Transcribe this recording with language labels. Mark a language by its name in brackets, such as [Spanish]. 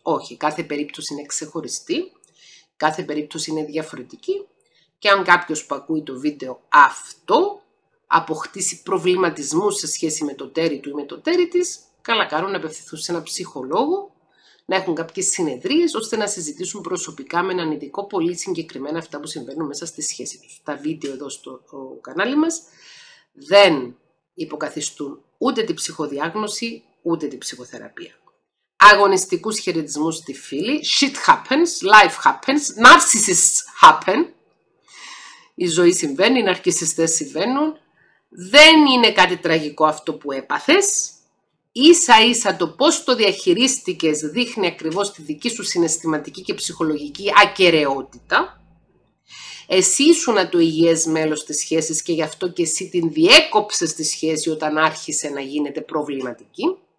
[Greek] Όχι, κάθε περίπτωση είναι ξεχωριστή, κάθε περίπτωση είναι διαφορετική και αν κάποιος που ακούει το βίντεο αυτό αποκτήσει προβληματισμούς σε σχέση με το τέρι του ή με το τέρι της, καλά κάνουν να απευθυνθούν σε ένα ψυχολόγο, να έχουν κάποιες συνεδρίες ώστε να συζητήσουν προσωπικά με έναν ειδικό πολύ συγκεκριμένα αυτά που συμβαίνουν μέσα στη σχέση τους. Τα βίντεο εδώ στο κανάλι μας δεν υποκαθιστούν ούτε την ψυχοδιάγνωση, ούτε την ψυχοθεραπεία. Αγωνιστικούς χαιρετισμούς στη φίλη. [English] Shit happens, life happens, narcissists happen. [Greek] Η ζωή συμβαίνει, οι ναρκισιστές συμβαίνουν. Δεν είναι κάτι τραγικό αυτό που έπαθες. Ίσα-ίσα το πώς το διαχειρίστηκες δείχνει ακριβώς τη δική σου συναισθηματική και ψυχολογική ακεραιότητα. Εσύ ήσουν το υγιές μέλος της σχέσης και γι' αυτό και εσύ την διέκοψες τη σχέση όταν άρχισε να γίνεται προβληματική.